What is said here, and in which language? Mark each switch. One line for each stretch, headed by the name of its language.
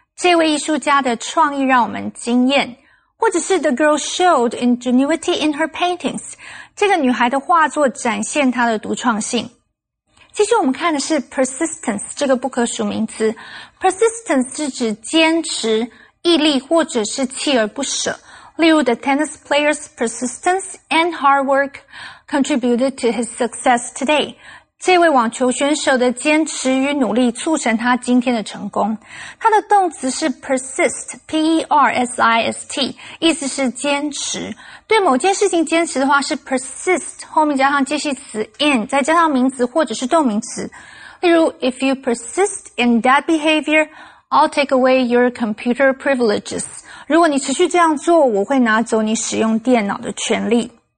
Chinese: 这位艺术家的创意让我们惊艳。或者是
English: The girl showed ingenuity in her paintings.
Chinese: 这个女孩的画作展现她的独创性。其实我们看的是 persistence 这个不可数名词。 persistence 是指坚持、毅力或者是锲而不舍。例如
English: the tennis player's persistence and hard work contributed to his success today.
Chinese: 这位网球选手的坚持与努力促成他今天的成功。他的动词是 persist, P-E-R-S-I-S-T, 意思是坚持。对某件事情坚持的话是 persist, 后面加上介系词 in, 再加上名词或者是动名词。例如
English: ,if you persist in that behavior, I'll take away your computer privileges.
Chinese: 如果你持续这样做,我会拿走你使用电脑的权利。